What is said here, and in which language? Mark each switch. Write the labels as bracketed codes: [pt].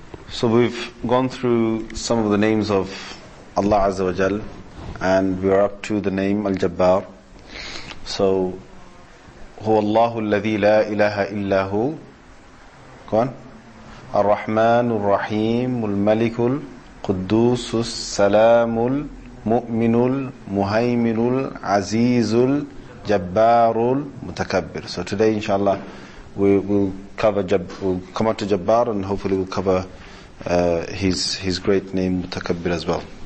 [en] So we've gone through some of the names of Allah Azza wa Jal, and we are up to the name Al-Jabbar. [ar] So, هو الله الذي لا إله إلا هو. [en] Go on. [ar] الرحمن الرحيم الملك القدوس السلام المؤمن المهيمن العزيز الجبار المتكبر. [en] So today, inshallah, we'll come out to Jabbar, and hopefully we'll cover his great name Mutakabbir as well.